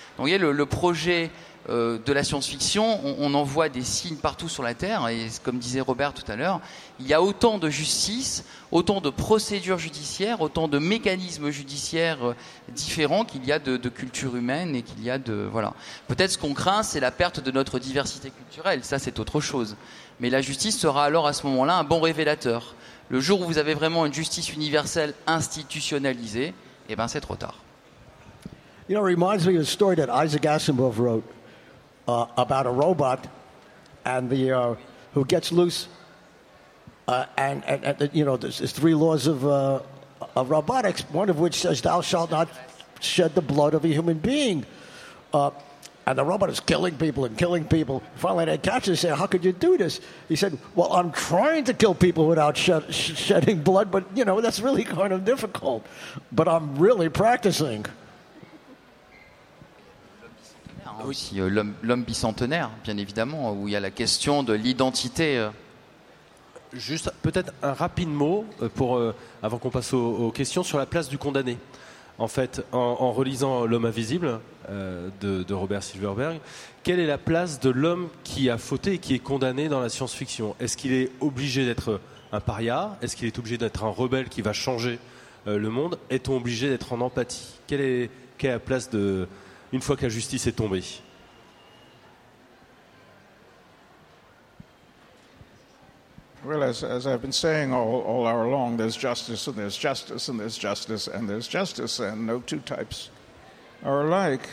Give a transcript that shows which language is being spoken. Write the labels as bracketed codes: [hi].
[fr] Donc, vous voyez, le projet... de la science-fiction, on en voit des signes partout sur la Terre, et comme disait Robert tout à l'heure, il y a autant de justice, autant de procédures judiciaires, autant de mécanismes judiciaires différents qu'il y a de culture humaine et qu'il y a de... voilà. Peut-être ce qu'on craint, c'est la perte de notre diversité culturelle, ça c'est autre chose. Mais la justice sera alors à ce moment-là un bon révélateur. Le jour où vous avez vraiment une justice universelle institutionnalisée, eh ben c'est trop tard. [en] You know, it reminds me of a story that Isaac Asimov wrote. About a robot, and the who gets loose, and you know, there's three laws of robotics. One of which says, "Thou shalt not shed the blood of a human being," and the robot is killing people and killing people. Finally, they catch him and say, "How could you do this?" He said, "Well, I'm trying to kill people without shedding blood, but you know, that's really kind of difficult. But I'm really practicing." [fr] Aussi l'homme bicentenaire, bien évidemment, où il y a la question de l'identité. Juste peut-être un rapide mot pour avant qu'on passe aux questions sur la place du condamné. En fait, en relisant L'homme invisible de Robert Silverberg, quelle est la place de l'homme qui a fauté et qui est condamné dans la science-fiction? Est-ce qu'il est obligé d'être un paria? Est-ce qu'il est obligé d'être un rebelle qui va changer le monde? Est-on obligé d'être en empathie? Quelle est la place de... une fois que la justice est tombée. [en] Well, as I've been saying all hour long, there's justice and there's justice and there's justice and there's justice, and no two types are alike.